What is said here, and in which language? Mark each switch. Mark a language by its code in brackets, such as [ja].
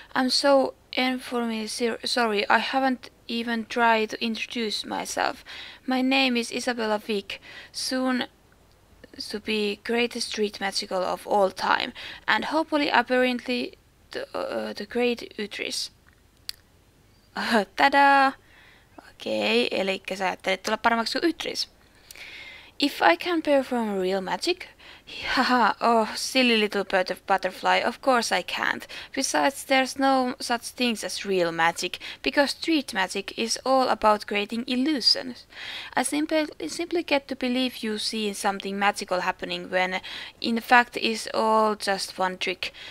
[en] I'm so informally sorry, I haven't even tried to introduce myself. My name is Isabella Vick, soon to be greatest street magical of all time, and hopefully apparently the great Utris. Tada! [fi] Okay, elikkä sä ajattelet tulla paremmaksi kuin Utris. [en] If I can perform real magic? Haha, oh, silly little butterfly, of course I can't. Besides, there's no such things as real magic, because street magic is all about creating illusions. I simply get to believe you see something magical happening when, in fact, it's all just one trick.